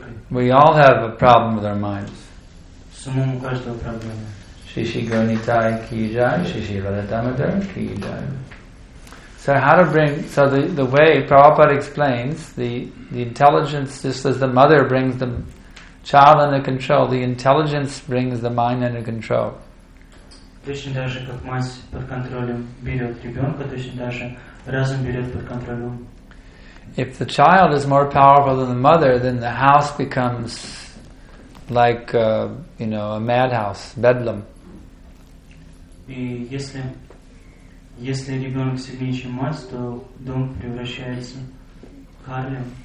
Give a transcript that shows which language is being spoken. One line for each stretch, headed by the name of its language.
English: We all have a problem with our minds. Shishi Gurnitai ki jai, Shishi Valadamadar ki jai. So how to bring, so the way Prabhupada explains, the intelligence, just as the mother brings the child under control, the intelligence brings the mind under control.
Russian: Точно так же, как мать под контролем берет ребенка, точно так же разум берет под контролем.
English: If the child is more powerful than the mother, then the house becomes like a madhouse, bedlam.
Russian: И если ребенок сильнее, чем мать, то дом превращается карлем.